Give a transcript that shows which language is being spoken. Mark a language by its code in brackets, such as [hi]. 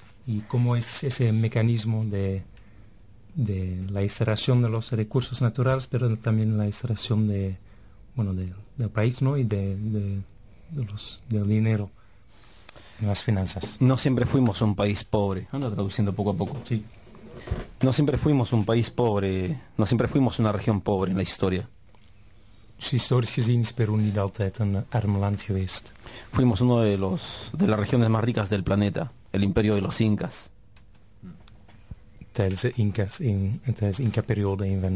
[es] ¿Y cómo es ese mecanismo de la extracción de los recursos naturales, pero también la extracción del país, ¿no? Y del dinero, las finanzas. No siempre fuimos un país pobre. Ando traduciendo poco a poco. Sí. No siempre fuimos un país pobre. No siempre fuimos una región pobre en la historia. [nl] Historisch gezien is Peru niet altijd een arm land geweest. [es] Fuimos uno de las regiones más ricas del planeta, el imperio de los Incas. [nl] Tijdens de Incas, tijdens de Inca-periode, een van